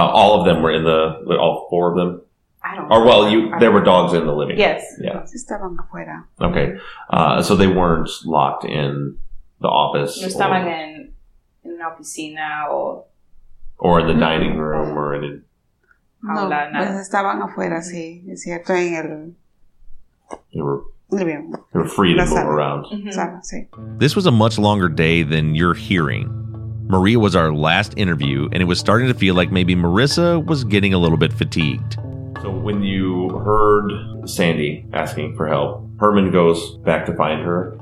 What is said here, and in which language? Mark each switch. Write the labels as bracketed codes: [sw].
[en] All of them were in the, all four of them? There were dogs in the living room. Yes. Yeah. [es] Estaban afuera. [en] Okay. So they weren't locked in the office? [es] No, estaban en una oficina [en] or in the dining room, or in... [es] No, pues estaban afuera, sí. Es cierto, en el... [en] They were free to move around. [es] Mm-hmm. Sí. [en] This was a much longer day than you're hearing. Maria was our last interview, and it was starting to feel like maybe Marissa was getting a little bit fatigued. So when you heard Sandy asking for help, Herman goes back to find her.